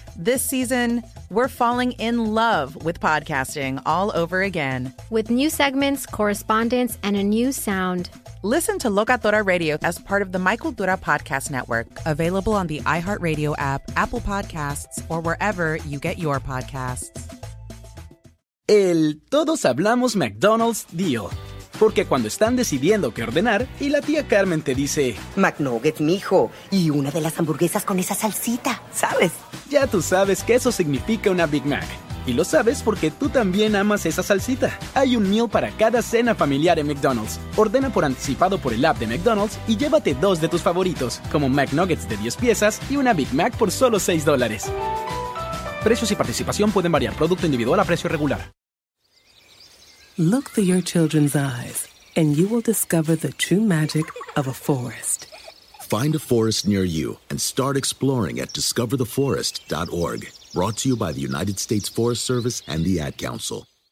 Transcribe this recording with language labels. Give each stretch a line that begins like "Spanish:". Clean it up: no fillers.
English: This season, we're falling in love with podcasting all over again. With new segments, correspondence, and a new sound. Listen to Locatora Radio as part of the My Cultura Podcast Network, available on the iHeartRadio app, Apple Podcasts, or wherever you get your podcasts.
Spanish: El Todos Hablamos McDonald's deal. Porque cuando están decidiendo qué ordenar y la tía Carmen te dice McNugget, mijo, y una de las hamburguesas con esa salsita, ¿sabes? Ya tú sabes que eso significa una Big Mac. Y lo sabes porque tú también amas esa salsita. Hay un meal para cada cena familiar en McDonald's. Ordena por anticipado por el app de McDonald's y llévate dos de tus favoritos, como McNuggets de 10 piezas y una Big Mac por solo $6. Precios y participación pueden variar. Producto individual a precio regular.
English: Look through your children's eyes, and you will discover the true magic of a forest. Find a forest near you and start exploring at discovertheforest.org. Brought to you by the United States Forest Service and the Ad Council.